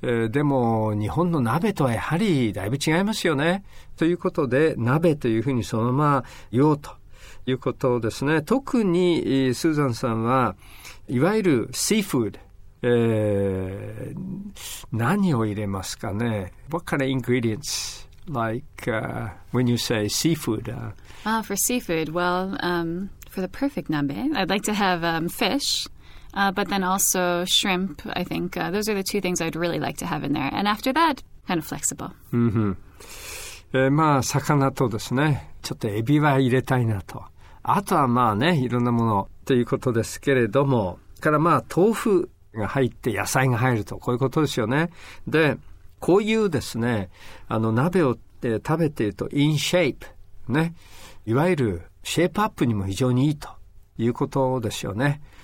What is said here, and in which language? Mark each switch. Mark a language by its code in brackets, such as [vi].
[ja] でも日本の鍋とはやはりだいぶ違いますよね。ということで鍋というふうにそのまま言おうということですね。特にスーザンさんはいわゆるシーフード、何を入れますかね? [en] What kind of ingredients, like when you say seafood? For seafood, well, for the perfect nabe, I'd like to have fish, but then also shrimp, I think. Those are the two things I'd really like to have in there. And after that, kind of flexible. Mm-hmm. [ja] まあ、魚とですね、ちょっとエビは入れたいなと。あとはまあね、いろんなものということですけれども、からまあ、豆腐が入って野菜が入るとこういうことですよね。で、こういうですね、あの鍋を食べていると [en] in shape [ja] ね、いわゆるシェイプアップにも非常にいいということですよね。